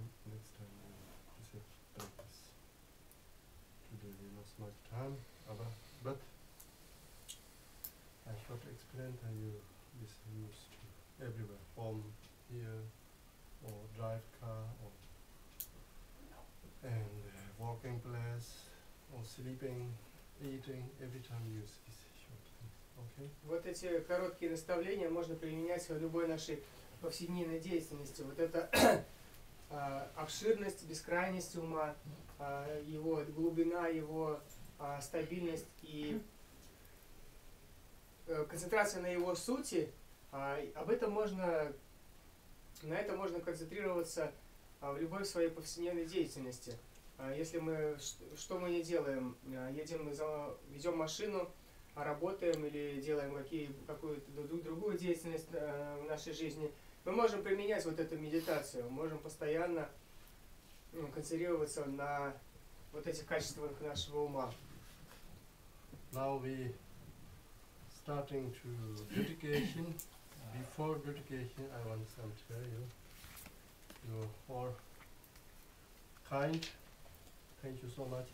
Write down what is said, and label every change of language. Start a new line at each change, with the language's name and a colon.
English: Next time we have practice. Today we lost much time, but I should explain to you this used to everywhere, home, here, or drive car, or and walking place, or sleeping, eating, every time you use this short thing, okay?
Russian: Вот эти короткие наставления можно применять в любой нашей повседневной деятельности. Вот это обширность, бескрайность ума, его глубина, его стабильность и концентрация на его сути, об этом можно... На это можно концентрироваться в любой своей повседневной деятельности. Если мы что мы не делаем, едем, ведем машину, работаем или делаем какую-то другую деятельность в нашей жизни, мы можем применять вот эту медитацию, мы можем постоянно концентрироваться на вот этих качествах нашего ума.
English: Now we starting to dedication. Before dedication, I want to tell you, you are kind. Thank you so much.